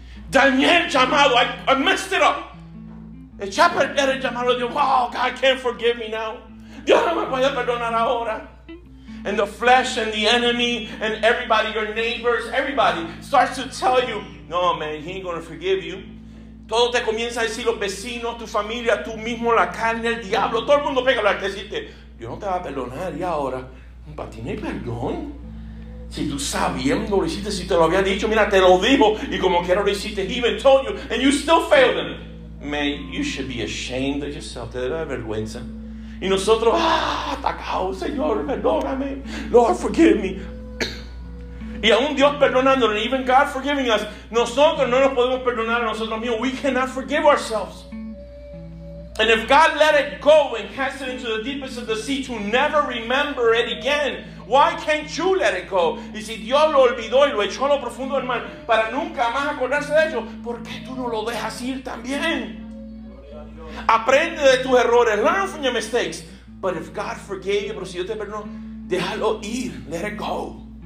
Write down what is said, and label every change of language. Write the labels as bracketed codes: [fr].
[en] Daniel llamado, I messed it up. El chapter era llamado, Dios, wow, God can't forgive me now. [es] Dios no me puede perdonar ahora. [en] And the flesh and the enemy and everybody, your neighbors, everybody starts to tell you, no, man, he ain't going to forgive you. [es] Todo te comienza a decir los vecinos, tu familia, tú mismo, la carne, el diablo. Todo el mundo pega a hablar, te dice, Dios no te va a perdonar. Y ahora, para ti no hay perdón. Si tú sabiendo lo hiciste, si te lo había dicho, mira, te lo digo, y como quiero lo hiciste, [en] he even told you, and you still failed him. Man, you should be ashamed of yourself. [es] Te debe dar vergüenza. Y nosotros, atacado, Señor, perdóname. [en] Lord, forgive me. [es] Y aún Dios perdonándonos, [en] and even God forgiving us, [es] nosotros no nos podemos perdonar a nosotros mismos. [en] We cannot forgive ourselves. And if God let it go and cast it into the deepest of the sea to never remember it again, why can't you let it go? [es] Y si Dios lo olvidó y lo echó a lo profundo del mar para nunca más acordarse de ello, ¿por qué tú no lo dejas ir también? Aprende de tus errores. [en] Learn from your mistakes. But if God forgave you, [es] pero si Dios te perdonó, déjalo ir. [en] Let it go.